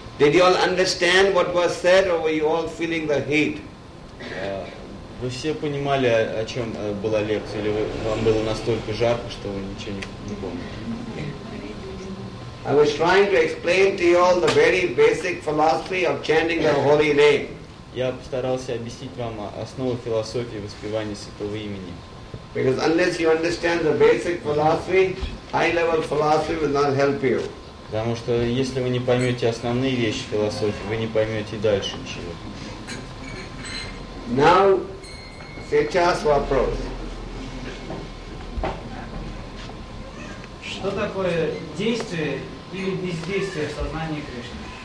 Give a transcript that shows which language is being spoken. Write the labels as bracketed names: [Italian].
[English] Did you all understand what was said, or were you all feeling the heat? [Russian] Вы все понимали, о чем была лекция, или вам было настолько жарко, что вы ничего не помните? [English] I was trying to explain to you all the very basic philosophy of chanting the holy name. [Russian] Я постарался объяснить вам основу философии воспевания святого имени. [English] Because unless you understand the basic philosophy, high-level philosophy will not help you. [Russian] Потому что если вы не поймете основные вещи философии, вы не поймете дальше ничего. [English] Now, [Russian] сейчас вопрос. Что такое действие или бездействие в сознании Кришны?